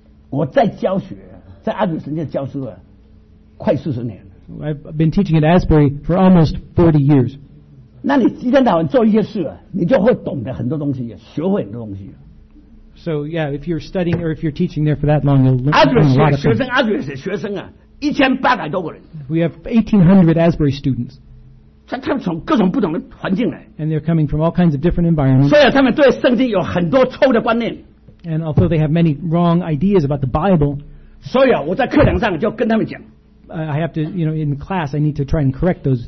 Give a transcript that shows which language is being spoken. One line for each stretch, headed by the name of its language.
Chinese: 我在教学，在阿主神教教书啊，快40年。
English: I've been teaching at Asbury for almost 40 years.
Chinese: 那你一天到晚做一些事啊，你就会懂得很多东西，学会很多东西。
English: So yeah, if you're studying or if you're teaching there for that long, you'll learn a lot of things.
Chinese: 阿主学生，阿主是学生啊，1,800多个人。
English: We have 1,800 Asbury students.
Chinese: 他们从各种不同的环境来
English: and they're coming from all kinds of different environments.
Chinese: 所以他们对圣经有很多错误的观念
English: and although they have many wrong ideas about the Bible,
Chinese: 所以我在课堂上就跟他们讲
English: I have to, you know, in class I need to try and correct those